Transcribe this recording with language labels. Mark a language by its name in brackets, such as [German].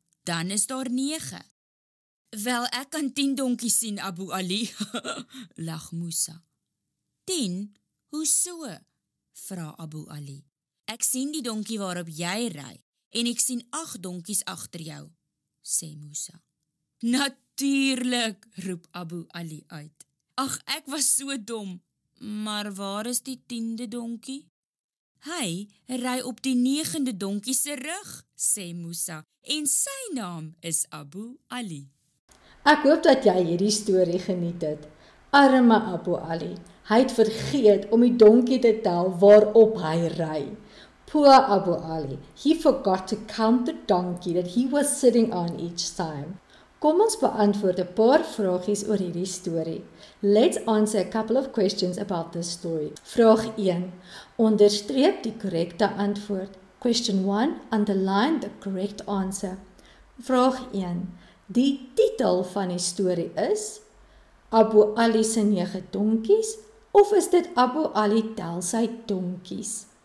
[Afrikaans] Dan is daar 9. Wel, ek kan 10 donkies sien, Abu Ali, lag Musa. 10? Hoe so? Vra Abu Ali. Ek sien die donkie waarop jy ry, en ek sien 8 donkies agter jou, sê Musa. Natuurlik, roep Abu Ali uit. Ag, ek was so dom. Maar waar is die 10de donkie? Hy ry op die 9de donkie se rug, sê Musa, en sy naam is Abu Ali. Ek hoop dat jy hierdie storie geniet het. Arme Abu Ali, hy het vergeet om die donkie te tel waarop hy ry. [English] Poor Abu Ali, he forgot to count the donkey that he was sitting on each time. [Afrikaans] Kom ons beantwoord 'n paar vragies oor hierdie storie. [English] Let's answer a couple of questions about this story. [Afrikaans] Vraag 1. Onderstreep die korrekte antwoord. [English] Question 1. Underline the correct answer. [Afrikaans] Vraag 1. Die titel van die storie is Abu Ali se 9 donkies of is dit Abu Ali tel sy donkies?